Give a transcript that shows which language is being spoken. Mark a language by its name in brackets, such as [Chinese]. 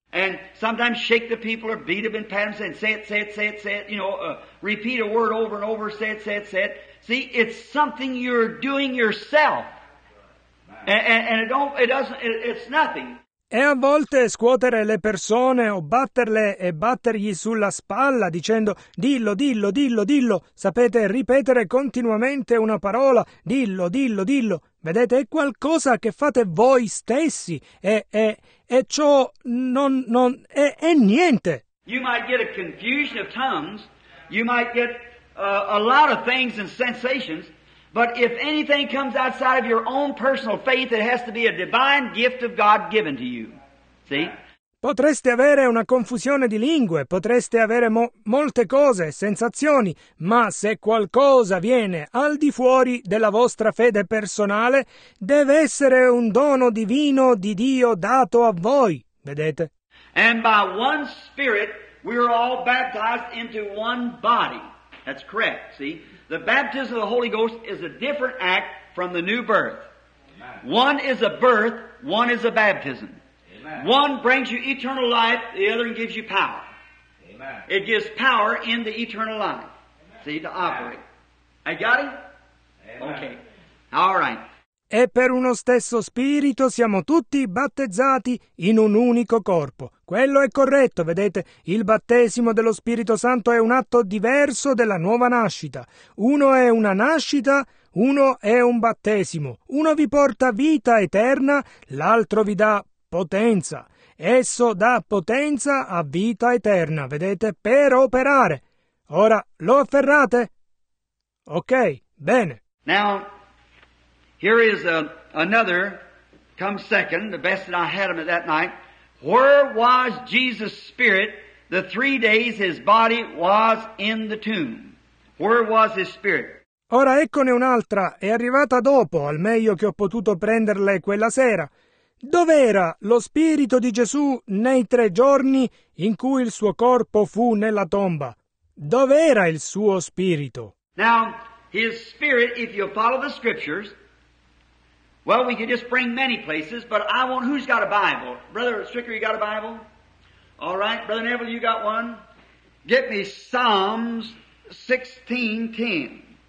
[English] And sometimes shake the people or beat them and pat them and say it, you know, repeat a word over and over, say it. See, it's something you're doing yourself. And it's nothing. [Italian] E a volte scuotere le persone o batterle e battergli sulla spalla dicendo dillo, sapete, ripetere continuamente una parola, dillo, vedete, è qualcosa che fate voi stessi e ciò non è niente. [English] You might get a confusion of tongues, you might get a lot of things and sensations. But if anything comes outside of your own personal faith, it has to be a divine gift of God given to you. See? [Italian] Potreste avere una confusione di lingue, potreste avere molte cose, sensazioni, ma se qualcosa viene al di fuori della vostra fede personale, deve essere un dono divino di Dio dato a voi. Vedete? [English] And by one spirit we are all baptized into one body. That's correct, see? The baptism of the Holy Ghost is a different act from the new birth. Amen. One is a birth, one is a baptism. Amen. One brings you eternal life, the other gives you power. Amen. It gives power in the eternal life. Amen. See, to operate. I got it? Amen. Okay. All right. [Italian] E per uno stesso spirito siamo tutti battezzati in un unico corpo. Quello è corretto, vedete? Il battesimo dello Spirito Santo è un atto diverso della nuova nascita. Uno è una nascita, uno è un battesimo. Uno vi porta vita eterna, l'altro vi dà potenza. Esso dà potenza a vita eterna, vedete? Per operare. Ora, lo afferrate? Ok, bene. [English] Now... Here is another, come second, the best that I had him at that night. Where was Jesus' spirit the 3 days his body was in the tomb? Where was his spirit? [Italian] Ora eccone un'altra, è arrivata dopo, al meglio che ho potuto prenderle quella sera. Dov'era lo spirito di Gesù nei 3 giorni in cui il suo corpo fu nella tomba? Dov'era il suo spirito? [English] Now, his spirit, if you follow the scriptures... Well, we could just bring many places, but I want, who's got a Bible? Brother Stricker, you got a Bible? All right, Brother Neville, you got one? Get me Psalms 16:10.